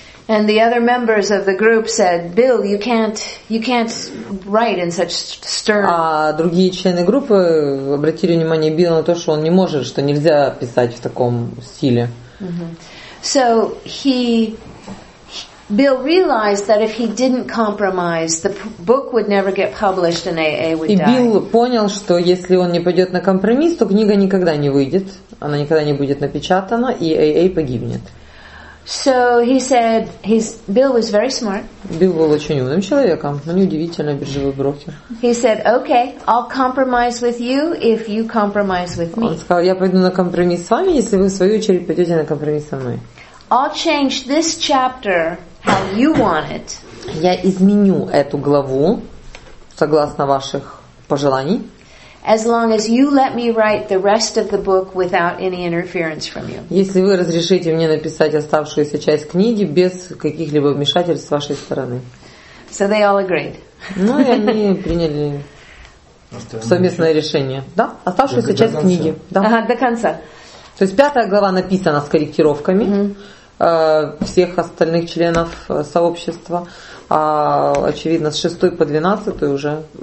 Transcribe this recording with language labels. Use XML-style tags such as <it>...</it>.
<en>And the other members of the group said, "Bill, you can't write in such stern".</en> <ru>А другие члены группы обратили внимание Билла на то, что он не может, что нельзя писать в таком стиле.</ru> <en>So he Bill realized that if he didn't compromise, the book would never get published and AA would die.</en> <ru>И Билл понял, что если он не пойдет на компромисс, то книга никогда не выйдет, она никогда не будет напечатана, и AA погибнет.</ru> <en>So he said, Bill was very smart.</en> <ru>Билл был очень умным человеком, но неудивительно, биржевый брокер.</ru> <en>He said, okay, I'll compromise with you if you compromise with me.</en> <ru>Он сказал, я пойду на компромисс с вами, если вы в свою очередь пойдете на компромисс со мной.</ru> <en>I'll change this chapter how you want it.</en> <ru>Я изменю эту главу согласно ваших пожеланий.</ru> <en>As long as you let me write the rest of the book without any interference from you.</en> <ru>Если вы разрешите мне написать оставшуюся часть книги без каких-либо вмешательств с вашей стороны.</ru> <en>So they all agreed.</en> <ru>Ну и они приняли совместное решение. Да, оставшуюся часть книги. До конца. То есть пятая глава написана с корректировками, всех остальных членов сообщества, а, очевидно, с 6 по 12 уже.</ru>